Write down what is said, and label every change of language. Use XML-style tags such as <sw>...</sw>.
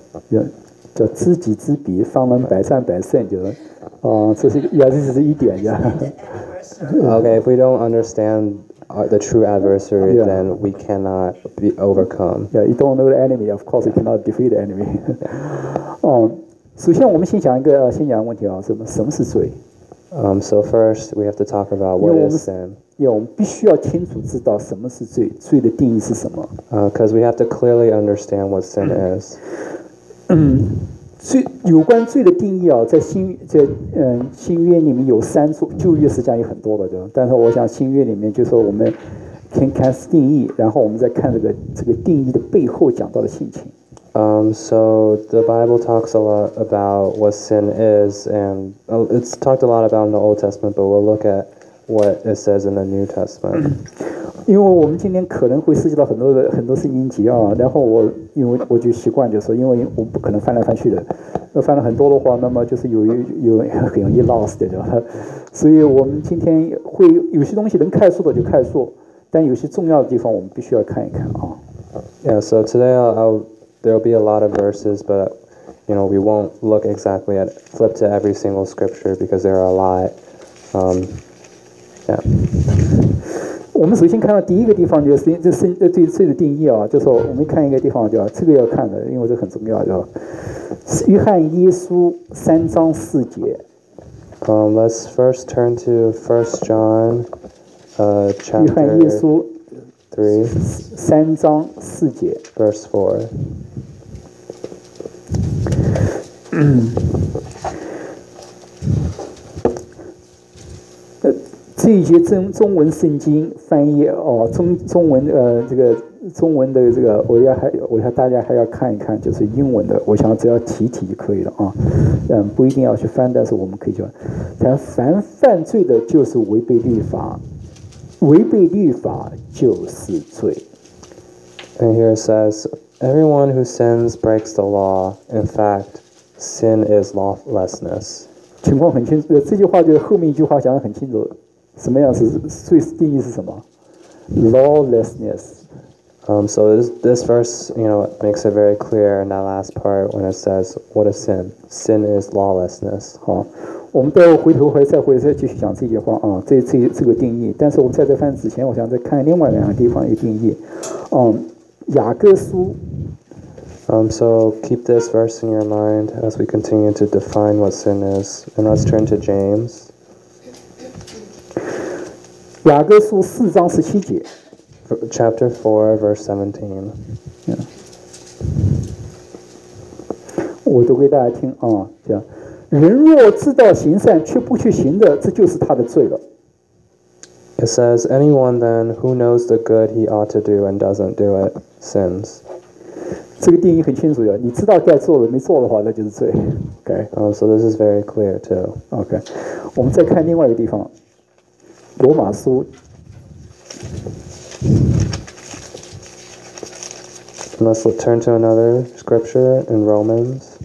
<en>yeah, or</en> <zh>就知己知彼，方能百战百胜，就是，这是一点呀。</zh> <en>Okay, if we don't understand the true adversary, then we cannot be overcome. Yeah, you don't know the enemy, of course, you cannot defeat the enemy.</en> <zh>首先我们先讲一个先讲问题啊，什么是罪？</zh> <en>So first we have to talk about what is sin.</en> <zh>因为我们必须要清楚知道什么是罪，罪的定义是什么。</zh> <en>Because we have to clearly understand what sin is.</en> <zh>有关罪的定义啊，新约里面有三处，旧约实际上有很多的，对吧？但是我想新约里面就是说我们先看定义，然后我们再看这个定义的背后讲到的性情。</zh> <en>So the Bible talks a lot about what sin is, and it's talked a lot about in the Old Testament, but we'll look at what it says in the New Testament.</en> <zh>因为我们今天可能会涉及到很多圣经节啊，然后我因为我就习惯就说，因为我不可能翻来翻去的，要翻了很多的话，那么就是有很容易 lost 的，对吧？所以我们今天会有些东西能快速的就快速，但有些重要的地方我们必须要看一看啊。</zh> <en>Yeah, so today there'll be a lot of verses, but you know we won't look exactly at flip to every single scripture because there are a lot. Yeah.</en> <zh>我们首先看到第一个地方就是对罪的定义啊，就是我们看一个地方叫这个要看的，因为这很重要，叫约翰一书三章四节。</zh> <en>Let's first turn to First John, chapter.</en> <zh>约翰一书 3. 三章四节。</zh> <en>Verse 4.</en> <zh>这一些中文圣经翻译哦，中文这个中文的这个我要大家还要看一看，就是英文的，我想只要提提就可以了啊，不一定要去翻，但是我们可以去。但凡犯罪的，就是违背律法，违背律法就是罪。</zh> <en>And here it says, everyone who sins breaks the law. In fact, sin is lawlessness.</en> <zh>情况很清楚，这句话就是后面一句话讲得很清楚。什么样是罪？定义是什么 ？Lawlessness.</zh> <en>So this verse, you know, makes it very clear in that last part when it says, "What is sin? Sin is lawlessness."</en> <zh>好，我们待会回头会再回再继续讲这句话啊，这个定义。但是我们在这翻之前，我想再看另外两个地方一个定义。雅各书。</zh> <en>So keep this verse in your mind as we continue to define what sin is, and let's turn to James.</en> <zh>雅各书四章十七节</zh> <en>Chapter 4, verse 17、</en> <zh>yeah. 我读给大家听啊，这样，人若知道行善却不去行的，这就是他的罪了。</zh> <en>It says, anyone then who knows the good he ought to do and doesn't do it, sins.</en> <zh>这个定义很清楚的，你知道该做的没做的话，那就是罪。</zh> <en>Okay. So this is very clear too. Okay.</en> <zh>我们再看另外一个地方罗马书</zh> <en>Let's turn to another scripture in Romans.</en>